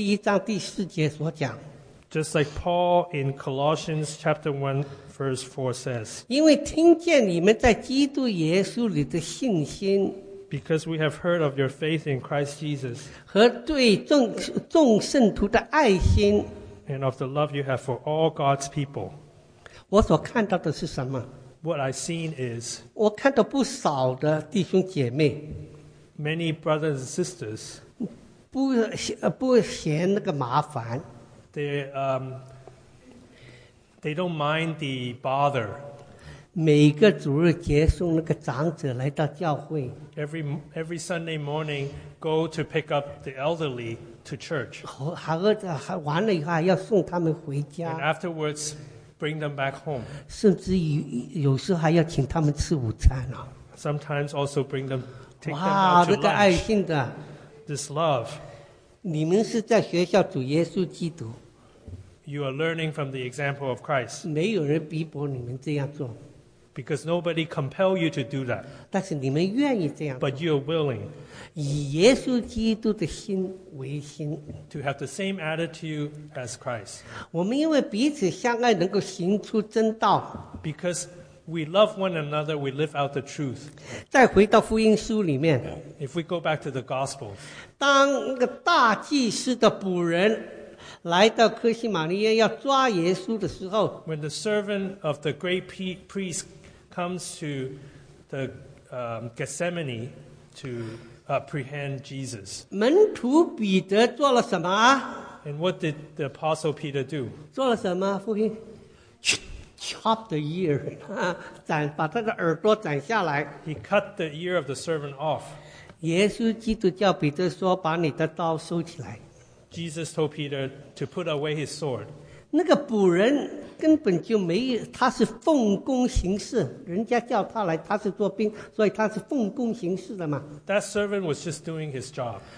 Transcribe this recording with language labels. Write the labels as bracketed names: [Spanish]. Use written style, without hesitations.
[Chinese] 正如保罗在哥罗西书第一章第四节所讲, [English] just like Paul in Colossians chapter 1, verse 4 says, [Chinese] 因为听见你们在基督耶稣里的信心, [English] because we have heard of your faith in Christ Jesus, [Chinese] 和对众圣徒的爱心, [English] and of the love you have for all God's people. [Chinese] 我所看到的是什么? [English] What I've seen is, [Chinese] 我看到不少的弟兄姐妹, [English] many brothers and sisters, [Chinese] 不嫌那个麻烦, [English] they don't mind the bother. [Chinese] 每个主日结束那个长者来到教会, [English] every Sunday morning go to pick up the elderly to church. [Chinese] 完了以后还要送他们回家, [English] and afterwards bring them back home. [Chinese] 甚至有时候还要请他们吃午餐啊, [English] sometimes also bring them, take them out to lunch. This love, [Chinese] 你们是在学校主耶稣基督。 [English] You are learning from the example of Christ. [Chinese] 没有人逼迫你们这样做。 [English] Because nobody compels you to do that. [Chinese] 但是你们愿意这样做。 [English] But you are willing. [Chinese] 以耶稣基督的心为心。 [English] To have the same attitude as Christ. [Chinese] 我们因为彼此相爱能够行出真道。 [English] Because we love one another, we live out the truth. [Chinese] 再回到福音书里面。 [English] If we go back to the gospel. [Chinese] 当那个大祭司的仆人 来到科西玛利亚要抓耶稣的时候, [English] when the servant of the great priest comes to the Gethsemane to apprehend Jesus, [Chinese] 门徒彼得做了什么? [English] And what did the apostle Peter do? [Chinese] 做了什么? [English] Chop the ear, [Chinese] 把他的耳朵斩下来。 [English] He cut the ear of the servant off. [Chinese] 耶稣基督叫彼得说把你的刀收起来。 [English] Jesus told Peter to put away his sword. [Chinese] 那个仆人根本就没有，他是奉公行事，人家叫他来，他是做兵，所以他是奉公行事的嘛。 [English] That servant was just doing his job.